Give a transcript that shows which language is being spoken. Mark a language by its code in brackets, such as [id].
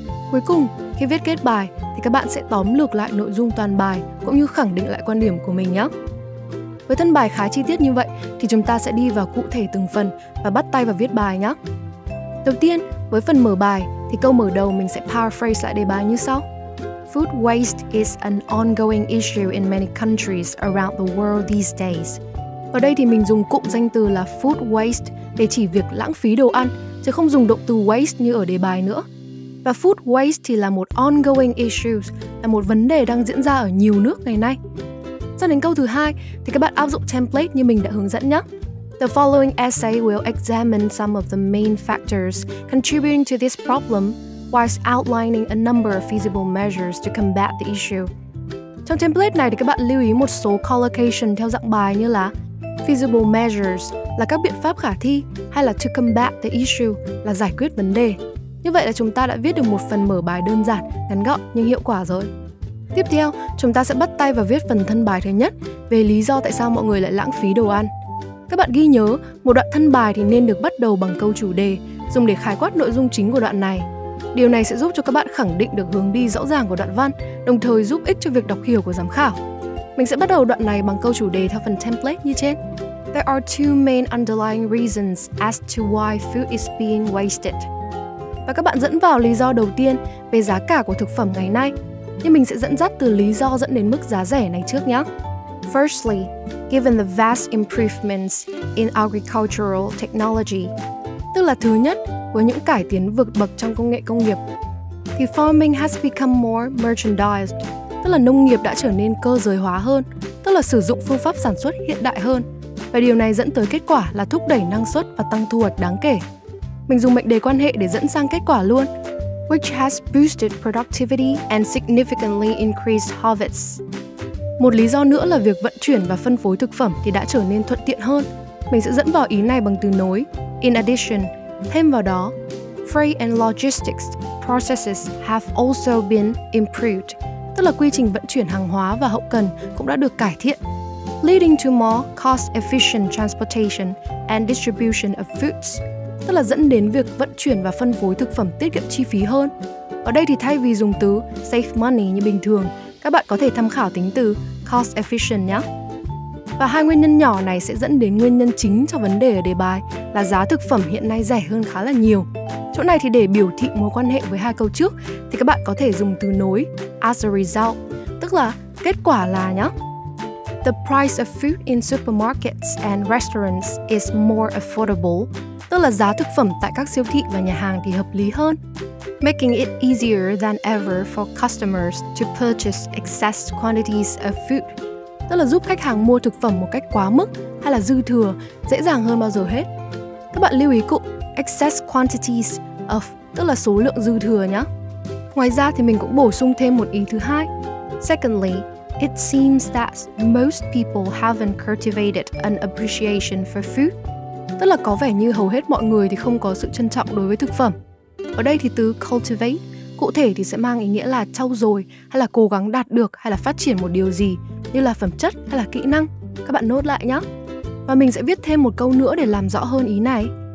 [vi] Cuối cùng, khi viết kết bài thì các bạn sẽ tóm lược lại nội dung toàn bài cũng như khẳng định lại quan điểm của mình nhé. Với thân bài khá chi tiết như vậy thì chúng ta sẽ đi vào cụ thể từng phần và bắt tay vào viết bài nhé. Đầu tiên, với phần mở bài thì câu mở đầu mình sẽ paraphrase lại đề bài như sau. [en] Food waste is an ongoing issue in many countries around the world these days. [vi] Ở đây thì mình dùng cụm danh từ là food waste để chỉ việc lãng phí đồ ăn, chứ không dùng động từ waste như ở đề bài nữa. Và food waste thì là một ongoing issue, là một vấn đề đang diễn ra ở nhiều nước ngày nay. Sang đến câu thứ hai thì các bạn áp dụng template như mình đã hướng dẫn nhé. [en] The following essay will examine some of the main factors contributing to this problem whilst outlining a number of feasible measures to combat the issue. [vi] Trong template này thì các bạn lưu ý một số collocation theo dạng bài như là feasible measures là các biện pháp khả thi hay là to combat the issue là giải quyết vấn đề. Như vậy là chúng ta đã viết được một phần mở bài đơn giản, ngắn gọn nhưng hiệu quả rồi. Tiếp theo, chúng ta sẽ bắt tay vào viết phần thân bài thứ nhất về lý do tại sao mọi người lại lãng phí đồ ăn. Các bạn ghi nhớ, một đoạn thân bài thì nên được bắt đầu bằng câu chủ đề, dùng để khái quát nội dung chính của đoạn này. Điều này sẽ giúp cho các bạn khẳng định được hướng đi rõ ràng của đoạn văn, đồng thời giúp ích cho việc đọc hiểu của giám khảo. Mình sẽ bắt đầu đoạn này bằng câu chủ đề theo phần template như trên. [en] There are two main underlying reasons as to why food is being wasted. [vi] Và các bạn dẫn vào lý do đầu tiên về giá cả của thực phẩm ngày nay. Nhưng mình sẽ dẫn dắt từ lý do dẫn đến mức giá rẻ này trước nhé. [en] Firstly, given the vast improvements in agricultural technology. [vi] Tức là thứ nhất, với những cải tiến vượt bậc trong công nghệ công nghiệp. Thì [en] farming has become more merchandised. [vi] Tức là nông nghiệp đã trở nên cơ giới hóa hơn. Tức là sử dụng phương pháp sản xuất hiện đại hơn. Và điều này dẫn tới kết quả là thúc đẩy năng suất và tăng thu hoạch đáng kể. Mình dùng mệnh đề quan hệ để dẫn sang kết quả luôn. [en] Which has boosted productivity and significantly increased harvests. [vi] Một lý do nữa là việc vận chuyển và phân phối thực phẩm thì đã trở nên thuận tiện hơn. Mình sẽ dẫn vào ý này bằng từ nối. [en] In addition, [vi] thêm vào đó, [en] freight and logistics processes have also been improved. [vi] Tức là quy trình vận chuyển hàng hóa và hậu cần cũng đã được cải thiện. [en] Leading to more cost-efficient transportation and distribution of foods. [vi] tức là dẫn đến việc vận chuyển và phân phối thực phẩm tiết kiệm chi phí hơn. Ở đây thì thay vì dùng từ save money như bình thường, các bạn có thể tham khảo tính từ cost efficient nhé. Và hai nguyên nhân nhỏ này sẽ dẫn đến nguyên nhân chính cho vấn đề ở đề bài là giá thực phẩm hiện nay rẻ hơn khá là nhiều. Chỗ này thì để biểu thị mối quan hệ với hai câu trước thì các bạn có thể dùng từ nối as a result, tức là kết quả là nhé. [en] The price of food in supermarkets and restaurants is more affordable, [vi] tức là giá thực phẩm tại các siêu thị và nhà hàng thì hợp lý hơn. [en] Making it easier than ever for customers to purchase excess quantities of food, [vi] tức là giúp khách hàng mua thực phẩm một cách quá mức hay là dư thừa dễ dàng hơn bao giờ hết. Các bạn lưu ý cụm excess quantities of, tức là số lượng dư thừa nhé. Ngoài ra thì mình cũng bổ sung thêm một ý thứ hai. [en] Secondly, it seems that most people haven't cultivated an appreciation for food. [vi] Tức là có vẻ như hầu hết mọi người thì không có sự trân trọng đối với thực phẩm. Ở đây thì từ cultivate cụ thể thì sẽ mang ý nghĩa là trau dồi hay là cố gắng đạt được hay là phát triển một điều gì như là phẩm chất hay là kỹ năng. Các bạn nốt lại nhé. Và mình sẽ viết thêm một câu nữa để làm rõ hơn ý này.